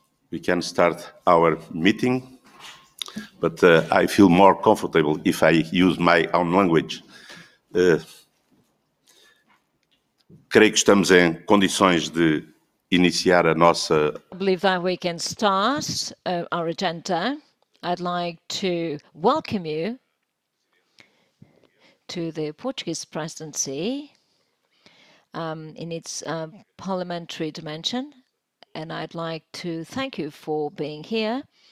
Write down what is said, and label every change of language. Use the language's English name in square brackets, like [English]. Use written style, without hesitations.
[English] We can start our meeting, but I feel more comfortable if I use my own language. [Portuguese] Creio que estamos em condições de iniciar a nossa. [English] I believe that we can start our agenda. I'd like to welcome you to the Portuguese presidency in its parliamentary dimension, and I'd like to thank you for being here.